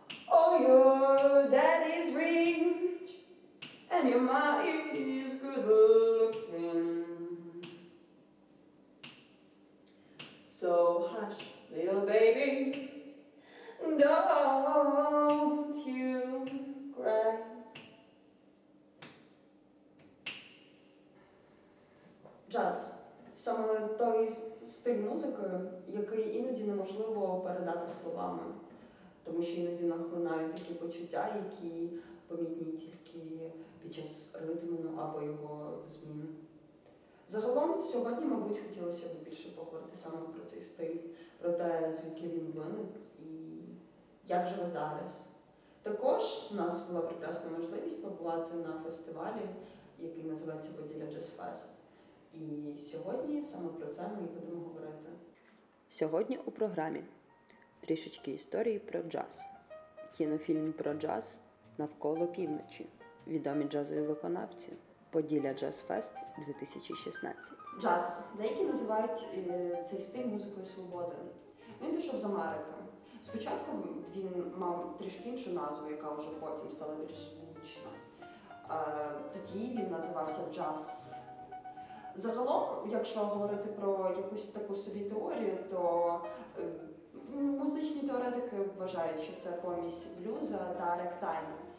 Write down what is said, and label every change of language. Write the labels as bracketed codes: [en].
[en] Oh, your dad is rich and your ma is good looking. So hush, little baby, don't you cry. [uk] Джаз – саме той стиль музики, який іноді неможливо передати словами, тому що іноді нахлинають такі почуття, які помітні тільки під час ритму або його змін. Загалом, сьогодні, мабуть, хотілося б більше поговорити саме про цей стиль, про те, звідки він виник і як живе зараз. Також у нас була прекрасна можливість побувати на фестивалі, який називається «Поділля Jazz Fest». І сьогодні саме про це ми і будемо говорити. Сьогодні у програмі трішечки історії про джаз. Кінофільм про джаз «Навколо півночі». Відомі джазові виконавці. Поділля Jazz Fest 2016. Джаз. Деякі називають цей стиль музикою свободи. Він пішов з Америки. Спочатку він мав трішки іншу назву, яка вже потім стала більш звучна. Тоді він називався джаз. Загалом, якщо говорити про якусь таку собі теорію, то музичні теоретики вважають, що це помість блюза та рек-тайму.